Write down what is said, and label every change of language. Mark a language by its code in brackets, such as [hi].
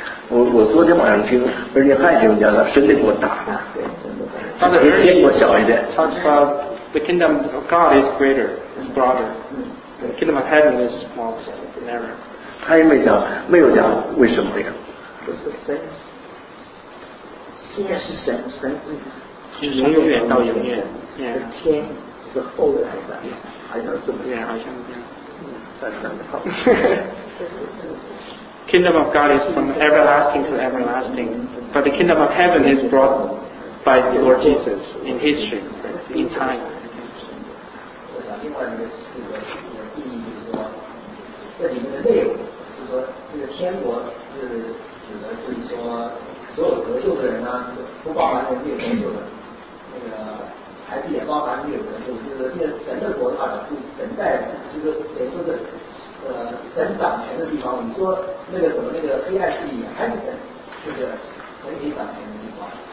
[zh] 我昨天晚上听，而且还听见了，神的国大，对，比天国小一点。 [en] Talks about the kingdom of God is greater, is broader. The kingdom of heaven is small, narrow. [zh] 他也没有讲为什么呀？是神，是神，神是永远到永远。天是后来的，好像是这么。好像这样。好。 [en] Kingdom of God is from everlasting to everlasting, but the kingdom of heaven is brought by the Lord Jesus in history, in time. [zh] 另外一个是这个意义就是说，这里面的内容。这个天国是指的是说所有得救的人呢，不包含那些没有得救的，那个孩子也包含没有得救，就是这个神的国的话，就神在，就是等于说是神掌权的地方。你说那个什么那个黑暗势力还是神，就是神可以掌权的地方。